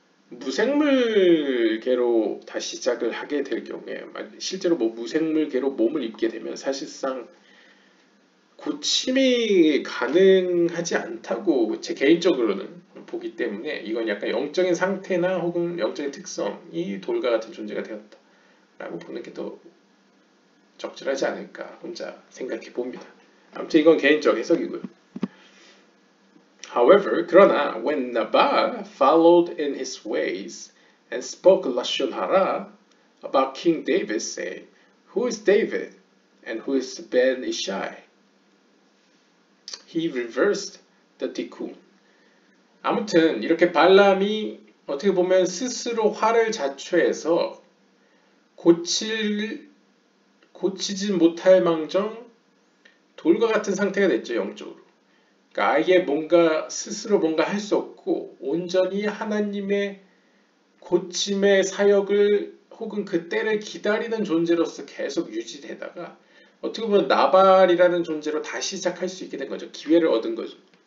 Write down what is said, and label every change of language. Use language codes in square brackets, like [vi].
[ko] 무생물계로 다시 시작을 하게 될 경우에 실제로 뭐 무생물계로 몸을 입게 되면 사실상 고침이 가능하지 않다고 제 개인적으로는 보기 때문에 이건 약간 영적인 상태나 혹은 영적인 특성이 돌과 같은 존재가 되었다라고 보는 게 더 적절하지 않을까 혼자 생각해 봅니다. 아무튼 이건 개인적 해석이고요. [en] However, [ko] 그러나 [en] when Nabal followed in his ways and spoke Lashon Hara about King David, say, who is David and who is Ben Ishai? He reversed the tikkun. [ko] 아무튼 이렇게 발람이 어떻게 보면 스스로 화를 자초해서 고치진 못할 망정 돌과 같은 상태가 됐죠, 영적으로. 그러니까 아예 뭔가 스스로 뭔가 할 수 없고 온전히 하나님의 고침의 사역을 혹은 그 때를 기다리는 존재로서 계속 유지되다가 어떻게 보면 나발이라는 존재로 다시 시작할 수 있게 된 거죠. 기회를 얻은 거죠.